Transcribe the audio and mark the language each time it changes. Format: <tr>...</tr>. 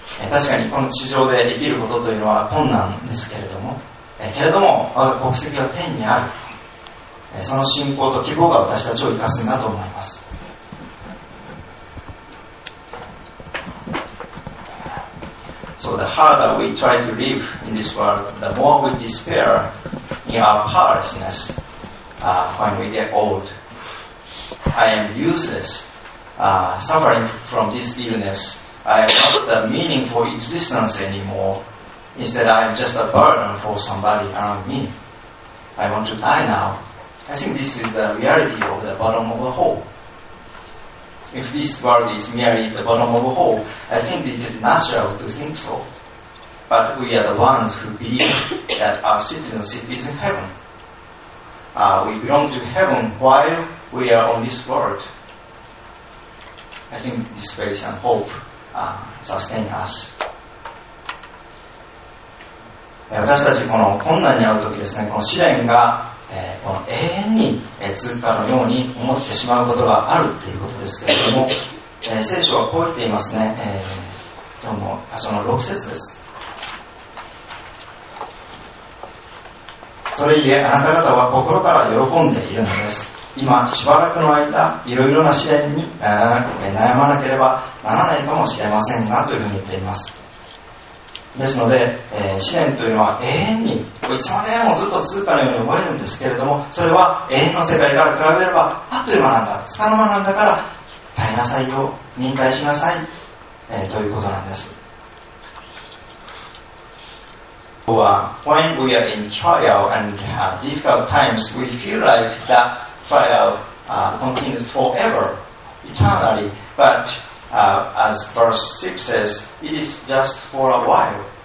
<ja>確かにこの地上で生きることというのは困難ですけれども、けれども我が国籍は天にある、その信仰と希望が私たちを生かすんだと思います。</ja> <en>So the harder we try to live in this world, the more we despair in our powerlessness, when we get old. I am useless, suffering from this illness. I am not the meaningful existence anymore. Instead, I am just a burden for somebody around me. I want to die now. I think this is the reality of the bottom of the hole. If this world is merely the bottom of a hole, I think it is natural to think so. But we are the ones who believe that our citizenship is in heaven. We belong to heaven while we are on this world. I think this faith and hope sustain us.</en> <ja>私たちこの困難に遭うときですね、この試練が、この永遠に通過のように思ってしまうことがあるということですけれども、聖書はこう言っていますね、今日の箇所の6節です。それゆえあなた方は心から喜んでいるのです。今しばらくの間いろいろな試練に悩まなければならないかもしれませんが、というふうに言っています。ですので、試練というのは永遠にいつまでもずっと通過のように思えるんですけれども、それは永遠の世界から比べればあっという間なんだ、つかの間なんだから耐えなさいよ、忍耐しなさい、ということなんです。</ja> <en>When we are in trial and difficult times, we feel like that trial continues forever, eternally, butas verse 6 says, it is just for a while.</en>